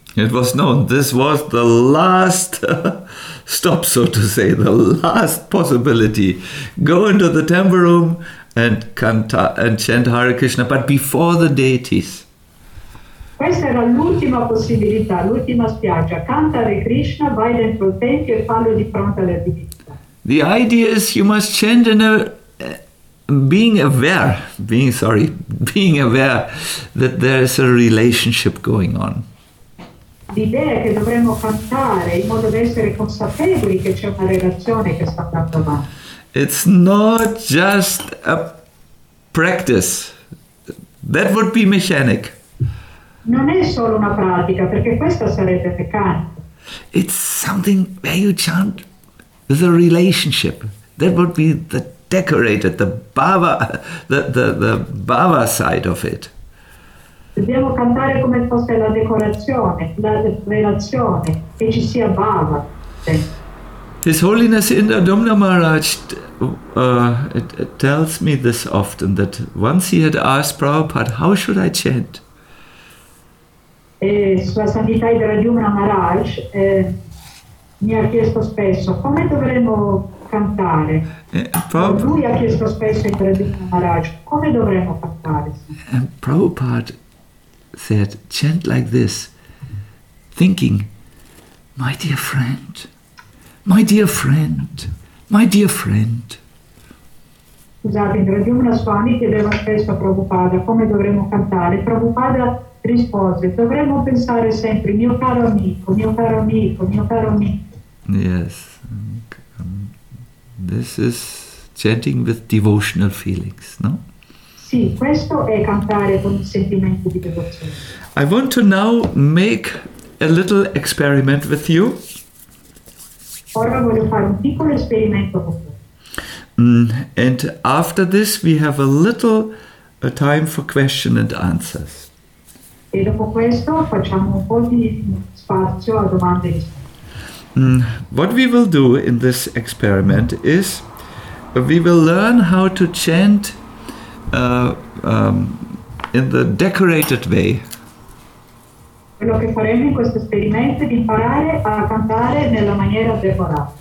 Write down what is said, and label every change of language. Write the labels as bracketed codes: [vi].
[en] It was known this was the last stop, so to say, the last possibility. Go into the temple room and chant Hare Krishna, but before the deities. [it] Questa era l'ultima possibilità, l'ultima spiaggia. Cantare Krishna, vai dentro il tempio e fallo di fronte alle divinità. [en] The idea is you must chant in a being aware that there is a relationship going on. [it] L'idea è che dovremmo cantare in modo da essere consapevoli che c'è una relazione che sta andando avanti. [en] It's not just a practice. That would be mechanic. [it] Non è solo una pratica, perché questa sarebbe peccato. [en] It's something where you chant with a relationship. That would be the decorated, the bhava side of it. [it] Dobbiamo cantare come fosse la decorazione, la relazione, che ci sia bhava. [en] His Holiness Indra Dumna Maharaj it tells me this often, that once he had asked Prabhupada, how should I chant? [it] Sua Santità Indra Dumna Maharaj mi ha chiesto spesso come dovremmo cantare. Lui ha chiesto spesso in Prabhupada Maharaj come dovremmo cantare. [en] And Prabhupada said, chant like this, thinking, my dear friend. [it] Scusate, Radyumna Swami chiedeva spesso a Prabhupada come dovremmo cantare. Prabhupada rispose, dovremmo pensare sempre, mio caro amico, mio caro amico, mio caro amico. [en] Yes, this is chanting with devotional feelings, no? [it] Sì, questo è cantare con un sentimento di devozione. [en] I want to now make a little experiment with you. [it] Ora voglio fare un piccolo esperimento con voi. [en] And after this, we have a little time for question and answers. [it] E dopo questo facciamo un po' di spazio a domande. [en] What we will do in this experiment is we will learn how to chant in the decorated way. [it] Quello che faremo in questo esperimento è di imparare a cantare nella maniera decorata.